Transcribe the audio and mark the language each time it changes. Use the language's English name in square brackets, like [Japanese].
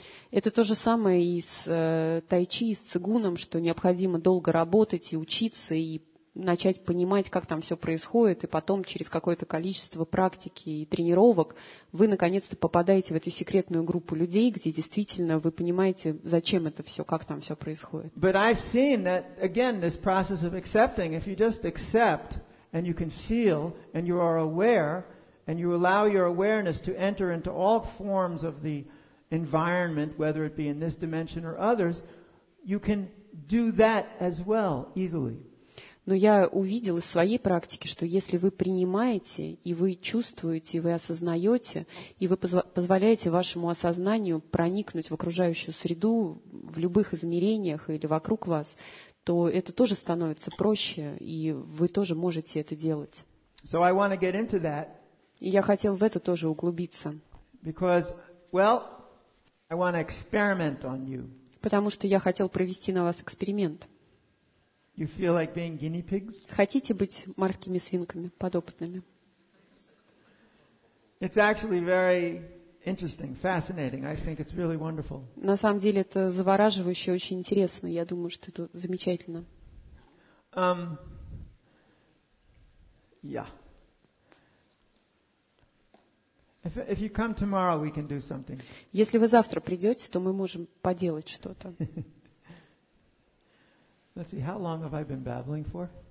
[Russian] Это то же самое и с тай-чи, и с цигуном, что необходимо долго работать и учиться, и начать понимать, как там все происходит, и потом через какое-то количество практики и тренировок вы наконец-то попадаете в эту секретную группу людей, где действительно вы понимаете, зачем это все, как там все происходит. [English] But I've seen that, again, this process of accepting, if you just accept, and you can feel, and you are aware, and you allow your awareness to enter into all forms of the environment, whether it be in this dimension or others, you can do that as well easily. [Russian] Но я увидел из своей практики, что если вы принимаете, и вы чувствуете, и вы осознаете, и вы позволяете вашему осознанию проникнуть в окружающую среду, в любых измерениях или вокруг вас, то это тоже становится проще, и вы тоже можете это делать. [English] So I want to get into that. [Russian] И я хотел в это тоже углубиться. [English] Because, well, I want to experiment on you. [Russian] Потому что я хотел провести на вас эксперимент. [English] You feel like being guinea pigs? [Russian] Хотите быть морскими свинками, подопытными? [English] It's actually very interesting, fascinating. I think it's really wonderful. [Russian] На самом деле это завораживающе, очень интересно. Я думаю, что это замечательно. Yeah. [English] If you come tomorrow, we can do something. [Russian] Если вы завтра придете, то мы можем поделать что-то. [English] Let's see, how long have I been babbling for?